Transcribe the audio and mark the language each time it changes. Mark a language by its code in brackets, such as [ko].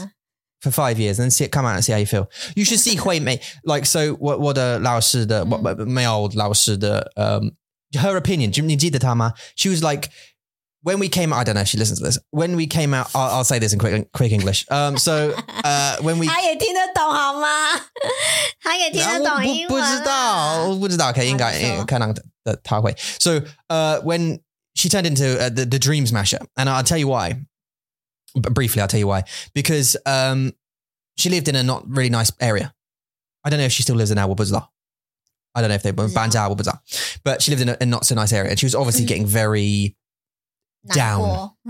[en] Yeah. For 5 years and then see it, come out and see how you feel. You should see Hui Mei. Like, so what a Lao Shi the, what my old Lao Shi the, her opinion, she was like, when we came, I don't know if she listens to this. When we came out, I'll say this in quick English. When we. [zh] 他也听得懂好吗? 他也听得懂英文啊。不知道, 可能他会。 [en] So, when she turned into the Dream Smasher, and I'll tell you why. Briefly, I'll tell you why. Because she lived in a not really nice area. I don't know if she still lives in Awabuzla. I don't know if they were banned out, but she lived in a not so nice area. And she was obviously getting very down.